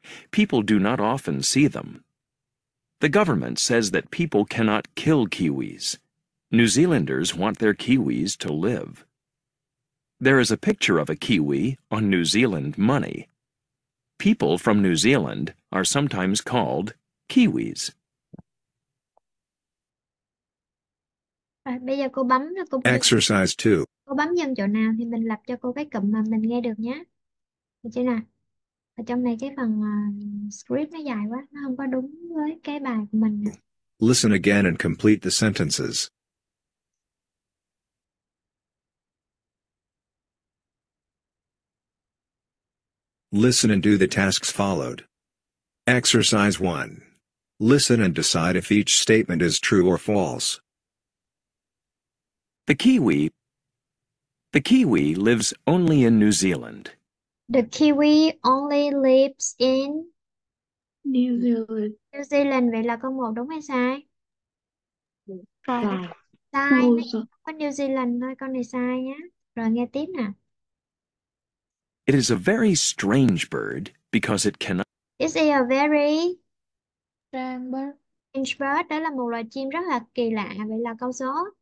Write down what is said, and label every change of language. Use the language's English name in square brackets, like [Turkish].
[English] People do not often see them. The government says that people cannot kill kiwis. New Zealanders want their kiwis to live. There is a picture of a kiwi on New Zealand money. People from New Zealand are sometimes called kiwis. [Vietnamese] Rồi, bây giờ cô bấm cho cô ghi. [English] Exercise 2. [Vietnamese] Cô bấm dần chỗ nào thì mình lập cho cô cái cụm mà mình nghe được nhé. Được chưa nào? Ở trong này cái phần script nó dài quá, nó không có đúng với cái bài của mình nè. [English] Listen again and complete the sentences. Listen and do the tasks followed. Exercise 1. Listen and decide if each statement is true or false. The kiwi lives only in New Zealand. The kiwi only lives in New Zealand. [Vietnamese] New Zealand, vậy là câu 1 đúng hay sai? Sai. Sai, có New Zealand thôi, con này sai nhá. Rồi nghe tiếp nè. [English] It is a very strange bird because it cannot. Is it a very strange bird? Strange bird, [Vietnamese] đó là một loài chim rất là kỳ lạ, vậy là câu số.